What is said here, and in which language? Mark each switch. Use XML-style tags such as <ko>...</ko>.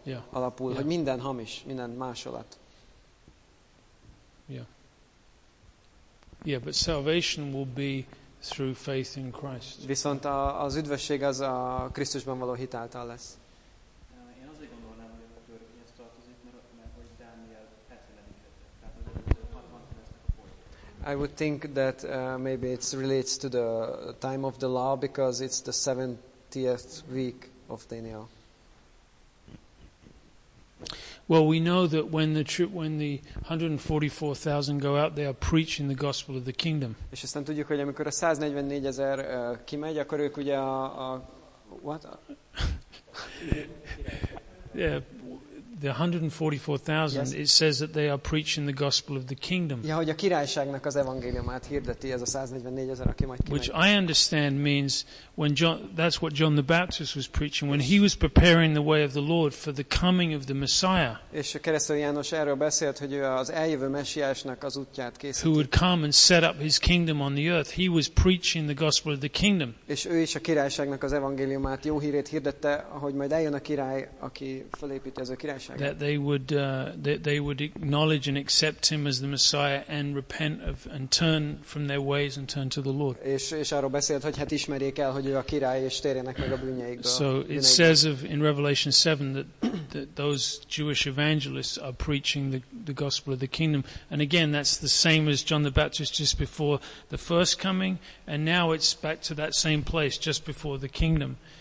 <hu>Alapul, hogy minden hamis, minden másolat.</hu> <en>Yeah. Yeah, but salvation will be through faith in Christ.</en> <hu>Viszont az üdvösség az a Krisztusban való hit által lesz. Én azért gondolnám, hogy a törvényhez tartozik, mert hogy Dániel 70-edik tehát az 60-edik.</hu> <en>I would think that maybe it relates to the time of the law because it's the 70th week of Daniel. Well, we know that when the 144,000 go out, they are preaching the gospel of the kingdom.</en> <hu>És aztán tudjuk, hogy amikor a 144,000 kimegy, akkor ők ugye</hu> <en>what? The 144,000, yes. It says that they are preaching the gospel of the kingdom.</en> <hu>Ja, hogy a királyságnak az evangéliumát hirdeti ez a 144,000, aki majd kimegy.</hu> <en>Which I understand means when John, that's what John the Baptist was preaching when he was preparing the way of the Lord for the coming of the Messiah.</en> <hu>És a keresztelő János erről beszélt, hogy ő az eljövő messiásnak az útját készíti.</hu> <en>Who would come and set up his kingdom on the earth. He was preaching the gospel of the kingdom.</en> <hu>És ő is a királyságnak az evangéliumát, jó hírét hirdette, hogy majd eljön a király, aki felépíti ez a király.</hu> <en>That they would acknowledge and accept him as the Messiah and repent of and turn from their ways and turn to the Lord.</en> <hu>És arról beszélt, hogy hát ismerjék el, hogy ő a király és térjenek meg a bűneikből.</hu> <en>So it says of in Revelation 7 that those Jewish evangelists are preaching the gospel of the kingdom, and again that's the same as John the Baptist just before the first coming, and now it's back to that same place just before the kingdom.</en>